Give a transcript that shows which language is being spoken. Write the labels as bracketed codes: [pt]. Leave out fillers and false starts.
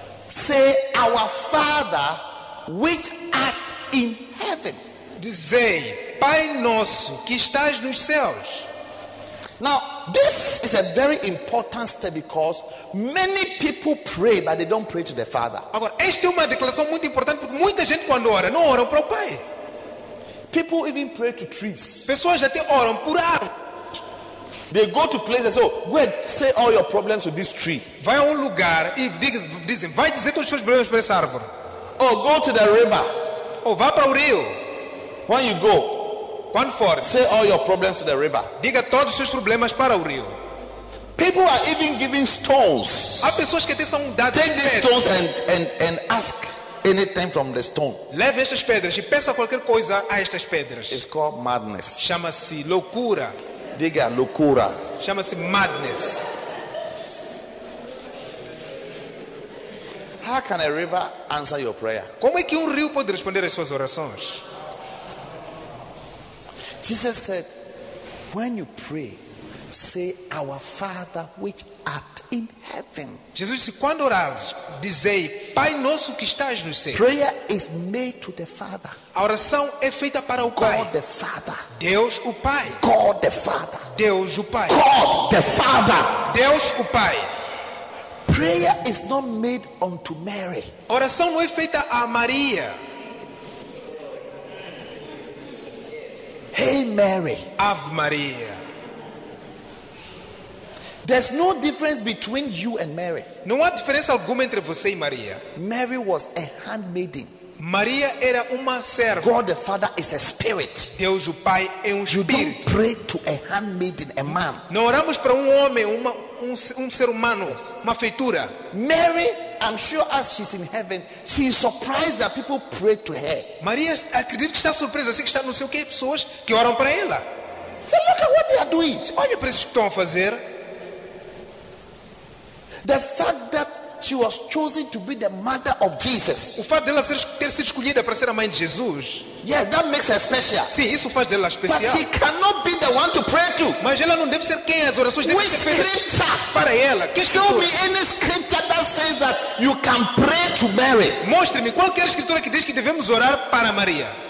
[en] Say our Father which art in heaven. [pt] Dizei, Pai nosso que estás nos céus. [en] Now, this is a very important step because many people pray but they don't pray to the Father. [pt] Agora, esta é uma declaração muito importante porque muita gente quando ora, não ora para o Pai. [en] People even pray to trees. [pt] Pessoas até oram por árvores. [en] They go to places, oh, go and say all your problems to this tree. [pt] Vai a lugar e dizem, vai dizer todos os seus problemas para essa árvore. [en] Oh, go to the river. [pt] Oh, vá para o rio. [en] When you go, [pt] quando for, [en] say all your problems to the river. [pt] Diga todos os seus problemas para o rio. [en] People are even giving stones. [pt] Há pessoas que até são dadas. [en] Take these stones and ask anything from the stone. [pt] Leve estas pedras e peça qualquer coisa a estas pedras. [en] It's called madness. [pt] Chama-se loucura. Diga loucura. Chama-se madness. [en] How can a river answer your prayer? [pt] Como é que rio pode responder às suas orações? [en] Jesus said, when you pray, say our Father which art in heaven. [pt] Jesus disse, quando orares, dizei, Pai nosso que estás nos céus. [en] Prayer is made to the Father. [pt] A oração é feita para o [en] God [pt] Pai. [en] God the Father. [pt] Deus o Pai. [en] God the Father. [pt] Deus o Pai. [en] God the Father. [pt] Deus o Pai. [en] Prayer is not made unto Mary. [pt] A oração não é feita a Maria. [en] Hey Mary. [pt] Ave Maria. [en] There's no difference between you and Mary. [pt] Não há diferença alguma entre você e Maria. [en] Mary was a handmaiden. [pt] Maria era uma serva. [en] God the Father is a spirit. [pt] Deus o Pai é espírito. [en] You don't pray to a handmaiden, a man. [pt] Não oramos para homem, ser humano, yes. Uma feitura. [en] Mary, I'm sure as she's in heaven, she is surprised that people pray to her. [pt] Maria acredito que está surpresa assim que está no céu que pessoas que oram para ela. [en] So look at what they are doing. [pt] Olha para isso que estão a fazer. [en] The fact that she was chosen to be the mother of Jesus. [pt] O fato dela ter sido escolhida para ser a mãe de Jesus. [en] Yes, that makes her special. [pt] Sim, isso faz dela especial. [en] But she cannot be the one to pray to. [pt] Mas ela não deve ser quem as orações devem ser feitas para ela. Que [en] show me any scripture that says that you can pray to Mary. [pt] Mostre-me qualquer escritura que diz que devemos orar para Maria.